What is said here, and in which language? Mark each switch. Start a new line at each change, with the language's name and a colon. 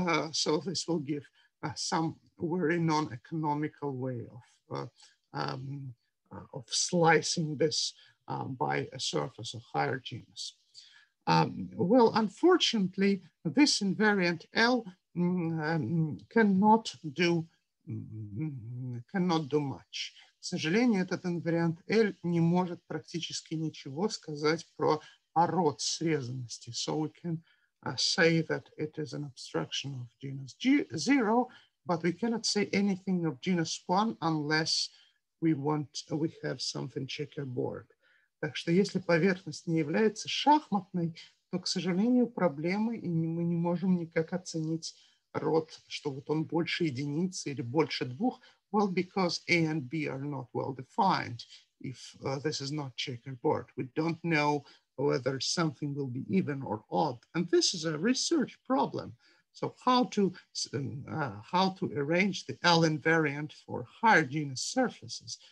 English: So this will give some very non-economical way of slicing this by a surface of higher genus. Well, unfortunately, this invariant L cannot do much.
Russian: К сожалению, этот инвариант L не может практически ничего сказать про ород срезанности.
English: So we can say that it is an obstruction of genus zero, but we cannot say anything of genus one unless we have something checkerboard.
Russian: Так что если поверхность не является шахматной, то, к сожалению, проблемы, и мы не можем никак оценить род, что вот он больше единицы или больше двух.
English: Well, because A and B are not well defined if this is not checkerboard. We don't know whether something will be even or odd. And this is a research problem. So how to arrange the L invariant for higher genus surfaces?